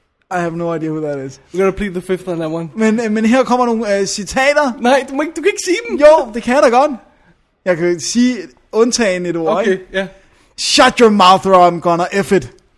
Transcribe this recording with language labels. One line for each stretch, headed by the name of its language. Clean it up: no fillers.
English: I have no idea who that is. We're gonna plead the fifth on that one.
Danish: Men her kommer nogle citater. Nej, du kan ikke sige dem. Jo, det kan jeg da godt. Jeg kan sige undtagen et ord. Okay, ja.
English: Shut your mouth or I'm gonna F it.